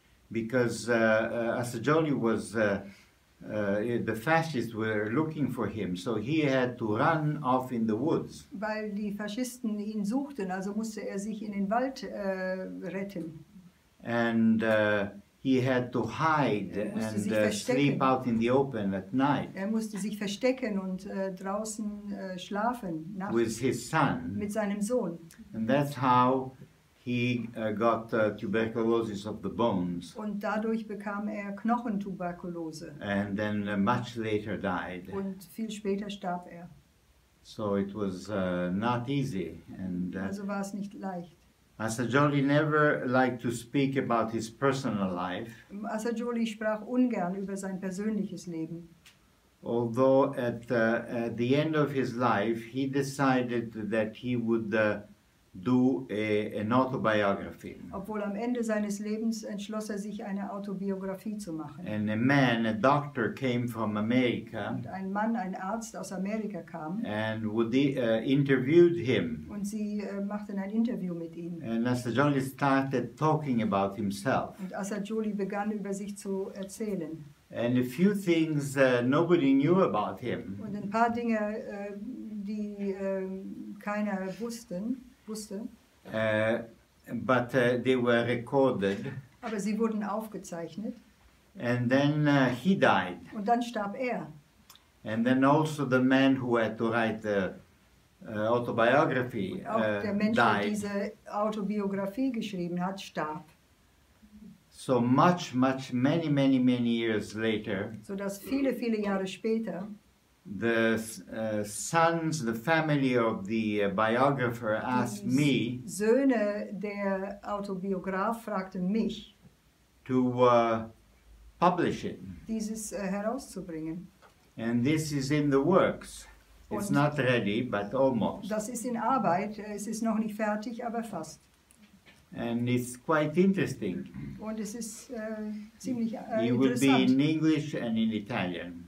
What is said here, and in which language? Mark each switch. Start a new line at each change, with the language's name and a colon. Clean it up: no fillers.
English: Because Assagioli was, the fascists were looking for him, so he had to run off in the woods.
German: Weil die Faschisten ihn suchten, also musste er sich in den Wald retten.
English: And he had to hide and sleep out in the open at night.
German: Er musste sich verstecken und draußen schlafen nachts.
English: With his son.
German: Mit seinem Sohn.
English: And that's how he got tuberculosis of the bones.
German: Und dadurch bekam er Knochentuberkulose.
English: And then much later died.
German: Und viel später starb er.
English: So it was not easy. And,
German: also war es nicht leicht.
English: Assagioli never liked to speak about his personal life.
German: Assagioli sprach ungern über sein persönliches Leben.
English: Although at the end of his life, he decided that he would do an autobiography.
German: Obwohl am Ende seines Lebens entschloss er sich, eine Autobiografie zu machen.
English: And a man, a doctor, came from America.
German: Und ein Mann, ein Arzt aus Amerika kam.
English: And would he, interviewed him.
German: Und sie machten ein Interview mit ihm.
English: And Assagioli started talking about himself.
German: Und Assagioli begann, über sich zu erzählen.
English: And a few things nobody knew about him.
German: Und ein paar Dinge, die keiner wusste.
English: But they were recorded.
German: Aber sie wurden aufgezeichnet.
English: And then he died.
German: Und dann starb er.
English: And then also the man who had to write the autobiography died.
German: Der Mensch, der diese Autobiografie geschrieben hat, starb.
English: So much, much, many, many, many years later.
German: So dass viele, viele Jahre später.
English: The sons, the family of the biographer asked me,
German: Söhne der Autobiograf fragten mich,
English: to publish it,
German: dieses herauszubringen.
English: And this is in the works. It's not ready, but almost.
German: Das ist in Arbeit, es ist noch nicht fertig, aber fast.
English: And it's quite interesting.
German: Und es ist ziemlich interessant.
English: It will be in English and in Italian.